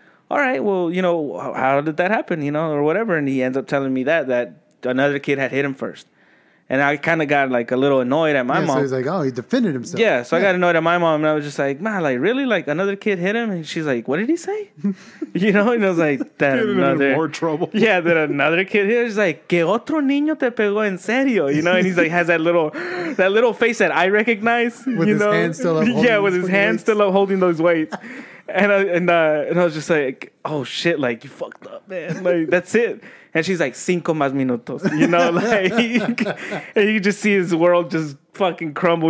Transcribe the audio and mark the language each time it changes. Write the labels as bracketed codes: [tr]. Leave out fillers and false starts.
[en] All right, well, you know, how did that happen, you know, or whatever? And he ends up telling me that another kid had hit him first. And I kind of got, like, a little annoyed at my mom. So he's like, oh, he defended himself. Yeah, so yeah. I got annoyed at my mom, and I was just like, man, like, really? Like, another kid hit him? And she's like, what did he say? You know, and I was like, that another. More trouble. Yeah, that another kid hit him. [es] He's like, que otro niño te pegó en serio? [en] You know, and he's like, has that little face that I recognize. With you his know? Hand still up holding Yeah, with his hand weights. Still up holding those weights. And I was just like, oh shit, like you fucked up, man. Like that's it. And she's like, 5 más minutos, you know, like, and you just see his world just fucking crumble.